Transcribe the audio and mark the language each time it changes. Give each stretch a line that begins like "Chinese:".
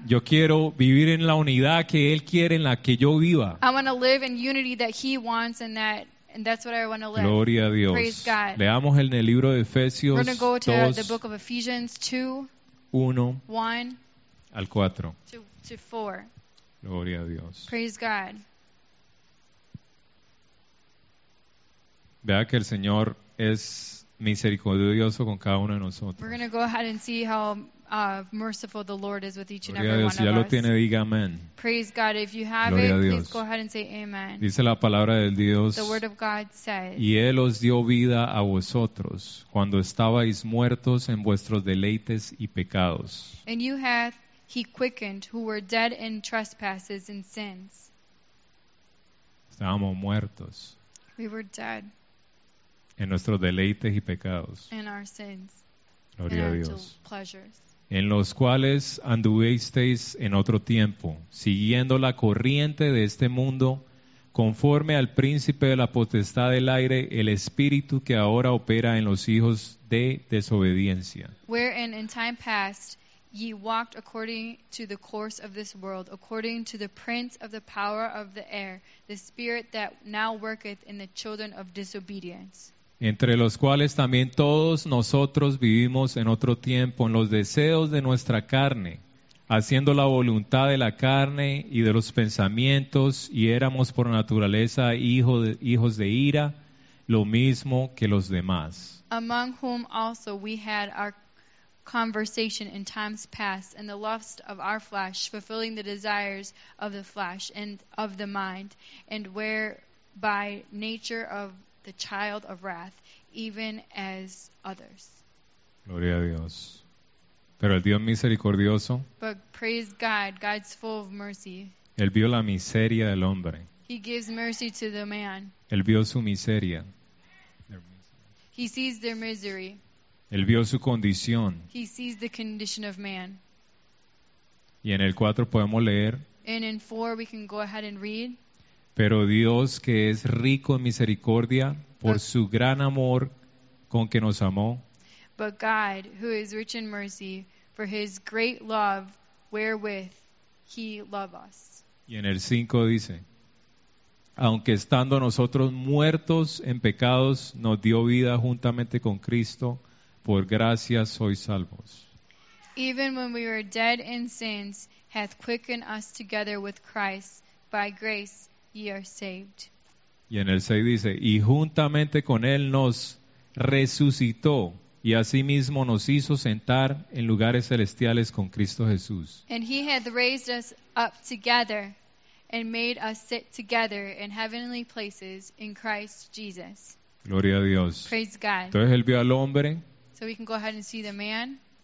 Spanish: Yo quiero vivir en la unidad que Él quiere, en la que yo viva.
English: I want to live in unity that He wants and that's what I want to live.
Spanish: Gloria a Dios.
English: Praise God.
Spanish: Leamos en el libro de Efesios 2.
English: We're going to go to 2, the book of Ephesians 2. 1. 1.
Spanish: Al 4.
English: To 4.
Spanish: Gloria a Dios.
English: Praise God.
Spanish: Vea que el Señor es misericordioso con cada uno de nosotros.
English: We're going to go ahead and see how merciful the Lord is with each and every one of us.
Spanish: Si ya lo tiene, diga amén.
English: Praise God. If you have
Spanish: Gloria
English: it, please go ahead and say amen.
Spanish: Dice la palabra de Dios.
English: The word of God says,
Spanish: y Él os dio vida a vosotros cuando estabais muertos en vuestros deleites y pecados.
English: And you hath He quickened who were dead in trespasses and sins.
Spanish: Estábamos muertos.
English: We were dead.
Spanish: En nuestros deleites y pecados.
English: In our sins.
Spanish: Gloria a Dios.
English: Pleasures.
Spanish: En los cuales anduvisteis en otro tiempo, siguiendo la corriente de este mundo, conforme al príncipe de la potestad del aire, el espíritu que ahora opera en los hijos de desobediencia.
English: Wherein in time past ye walked according to the course of this world, according to the prince of the power of the air, the spirit that now worketh in the children of disobedience.
Spanish: Entre los cuales también todos nosotros vivimos en otro tiempo, en los deseos de nuestra carne, haciendo la voluntad de la carne y de los pensamientos, y éramos por naturaleza hijos de ira, lo mismo que los demás.
English: Among whom also we had our conversation in times past, and the lust of our flesh, fulfilling the desires of the flesh and of the mind, and were by nature of the child of wrath, even as others.
Spanish: Gloria a Dios. Pero el Dios misericordioso,
English: but praise God, God's full of mercy.
Spanish: Él vio la miseria del hombre.
English: He gives mercy to the man.
Spanish: Él vio su miseria.
English: He sees their misery.
Spanish: Él vio su condición.
English: He sees the condition of man.
Spanish: Y en el 4 podemos leer.
English: And in 4 we can go ahead and read.
Spanish: Pero Dios, que es rico en misericordia, por su gran amor con que nos amó.
English: But God, who is rich in mercy, for his great love wherewith he loved us.
Spanish: Y en el 5 dice. Aunque estando nosotros muertos en pecados, nos dio vida juntamente con Cristo. Por gracia sois salvos.
English: Even when we were dead in sins, hath quickened us together with Christ. By grace ye are saved.
Spanish: Y en el 6 dice, y juntamente con él nos resucitó, y asimismo nos hizo sentar en lugares celestiales con Cristo Jesús.
English: And he hath raised us up together, and made us sit together in heavenly places in Christ Jesus.
Spanish: Gloria a Dios.
English: Praise God.
Spanish: Entonces él vio al hombre.
English: So we can go ahead and see the man.